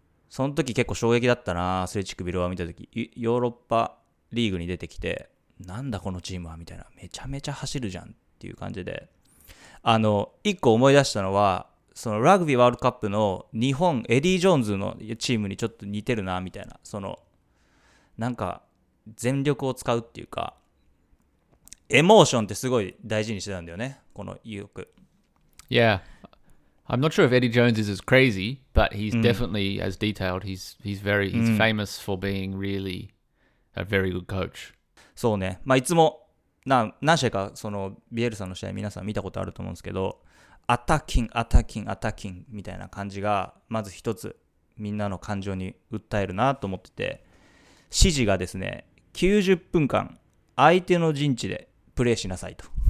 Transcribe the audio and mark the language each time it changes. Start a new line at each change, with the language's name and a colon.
Japanese: その時結構衝撃だったな、アスレチックビルバオ見た時、ヨーロッパリーグに出てきて、なんだこのチームはみたいな、めちゃめちゃ走るじゃんっていう感じで、あの一個思い出したのは、そのラグビーワールドカップの日本エディ・ジョーンズのチームにちょっと似てるなみたいな、そのなんか全力を使うっていうか、エモーションってすごい大事にしてたんだよね、この意欲。
English: Yeah, I'm not sure if Eddie Jones is as crazy, but he's definitely as detailed. He's famous for being really a very good coach.
Japanese: そうね、まあ、いつも何試合かそのビエルさんの試合皆さん見たことあると思うんですけど、アタッキングアタッキングアタッキングみたいな感じがまず一つみんなの感情に訴えるなと思ってて、指示がですね、90分間相手の陣地でプレーしなさいと。